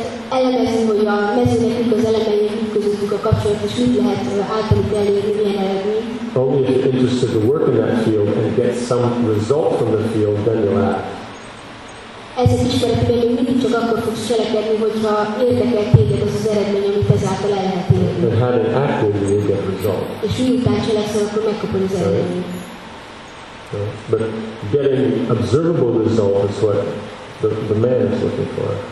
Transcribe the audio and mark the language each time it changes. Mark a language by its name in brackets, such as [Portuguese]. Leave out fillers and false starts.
[Hungarian] Elemezünk, hogy a mezőnek mik az elemei, mik közöttük a kapcsolat, és mit lehet általuk elérni, milyen eredmény. [English] Only if you're interested to work in that field and get some result from the field, then you'll act. [Hungarian] Ez egy ismeretében még mindig csak akkor fogsz cselekedni, hogyha érdekel téged az az eredmény, amit ezáltal el lehet érni. [English] And having acted, you will get result. [Hungarian] És miután cselekszel, akkor megkapod az eredményt. [English] But getting observable result is what the man is looking for.